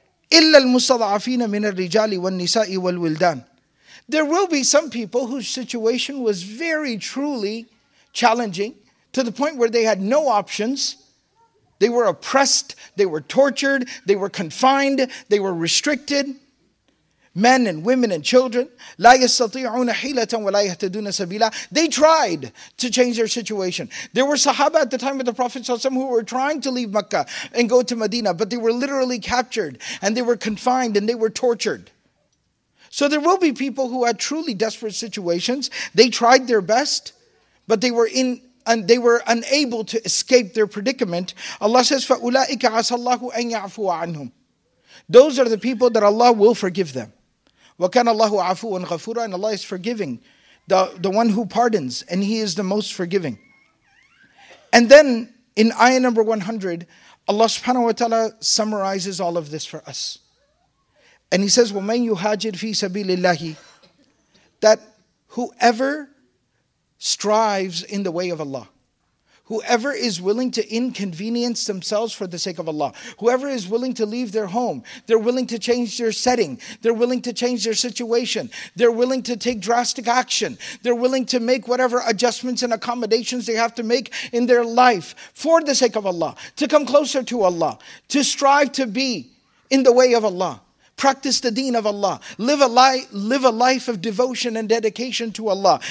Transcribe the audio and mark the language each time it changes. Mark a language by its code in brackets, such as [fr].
[ar] إِلَّا الْمُسْتَضَعَفِينَ مِنَ الرِّجَالِ وَالنِّسَاءِ وَالْوِلْدَانِ. [en] There will be some people whose situation was very truly challenging, to the point where they had no options. They were oppressed, they were tortured, they were confined, they were restricted. Men and women and children, [ar] لَا يَسْتَطِيعُونَ حِيلَةً وَلَا يَهْتَدُونَ سَبِيلًا. [en] They tried to change their situation. There were Sahaba at the time of the Prophet ﷺ who were trying to leave Mecca and go to Medina, but they were literally captured and they were confined and they were tortured. So there will be people who had truly desperate situations. They tried their best, but they were unable to escape their predicament. Allah says, [ar] فَأُولَٰئِكَ عَسَى اللَّهُ أَن يَعْفُوَ عَنْهُمْ. [en] Those are the people that Allah will forgive them. [ar] وَكَانَ اللَّهُ عَفُوًا غَفُورًا. [en] And Allah is forgiving, the one who pardons, and He is the most forgiving. And then in ayah number 100, Allah subhanahu wa ta'ala summarizes all of this for us. And He says, [ar] وَمَنْ يُهَاجِرْ فِي سَبِيلِ اللَّهِ. [en] That whoever strives in the way of Allah, whoever is willing to inconvenience themselves for the sake of Allah, whoever is willing to leave their home, they're willing to change their setting, they're willing to change their situation, they're willing to take drastic action, they're willing to make whatever adjustments and accommodations they have to make in their life for the sake of Allah, to come closer to Allah, to strive to be in the way of Allah, practice the deen of Allah, live a life of devotion and dedication to Allah.